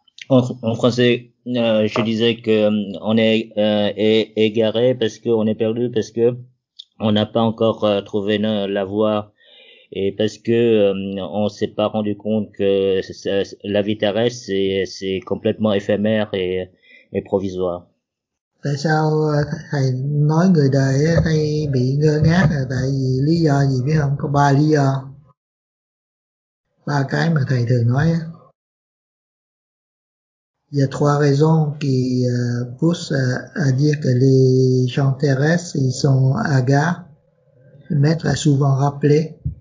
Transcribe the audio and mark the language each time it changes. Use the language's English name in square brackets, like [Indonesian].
[French] En français, je disais que on est égaré parce que on est perdu parce que on n'a pas encore trouvé la voie et parce que on s'est pas rendu compte que la vie terrestre c'est complètement éphémère et provisoire. [Vietnamese] Tại sao thầy nói người đời hay bị ngơ ngác là tại vì lý do gì biết không? Có ba lý do, ba cái mà thầy thường nói. [French] Il y a trois raisons qui poussent à dire que les gens terrestres ils sont hagards. Le maître a souvent rappelé.